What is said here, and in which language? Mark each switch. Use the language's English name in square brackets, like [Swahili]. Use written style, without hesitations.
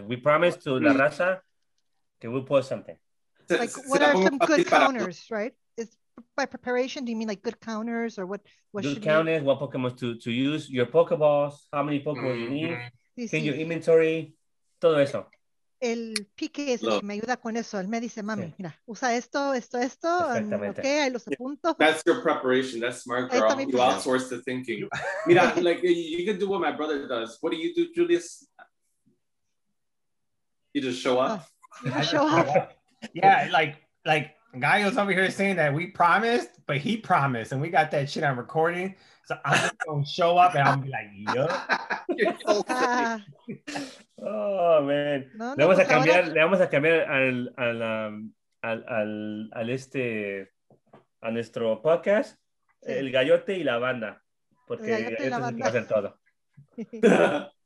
[English] We promise to [Spanish] la raza [English] that we'll post something. Like, what are some good counters, right? Is by preparation, do you mean like good counters or what good counters, what Pokemon to use, your Pokeballs, how many Pokemon you need, in your inventory, [Spanish] todo eso. El Pique es el que me ayuda con eso. Él me dice, mami, mira, usa esto. Okay, ahí los apunto. [English] That's your preparation. That's smart, girl. You outsource the thinking. [Spanish] Mira, [English] like, you can do what my brother does. What do you do, Julius? You just show up? Yeah, like Gaio's over here saying that we promised, but he promised, and we got that shit on recording. So I'm just gonna show up and I'm gonna be like, yup. Oh man. [Spanish] No, vamos a cambiar, le vamos a cambiar a nuestro podcast, el Gallote y la banda. Porque esto es el que va a hacer todo.